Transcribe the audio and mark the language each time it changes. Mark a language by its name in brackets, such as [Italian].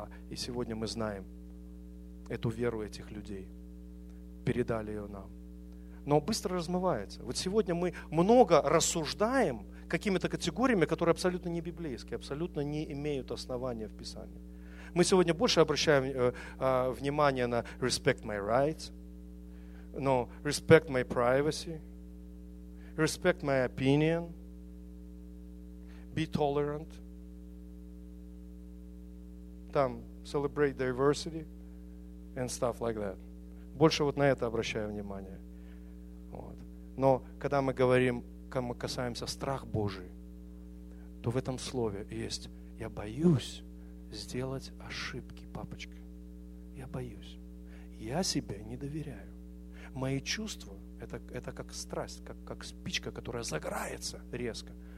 [Russian] И сегодня мы знаем эту веру этих людей. Передали ее нам. Но быстро размывается. Вот сегодня мы много рассуждаем какими-то категориями, которые абсолютно не библейские, абсолютно не имеют основания в Писании. Мы сегодня больше обращаем внимание на [English] respect my rights, [Russian] но [English] respect my privacy, respect my opinion, be tolerant, [Russian] там [English] celebrate diversity and stuff like that. [Russian] Больше вот на это обращаем внимание. Вот. Но когда мы говорим, когда мы касаемся страха Божий, то в этом слове есть «я боюсь». Сделать ошибки, папочка. Я боюсь. Я себе не доверяю. Мои чувства, это как страсть, как спичка, которая загорается резко.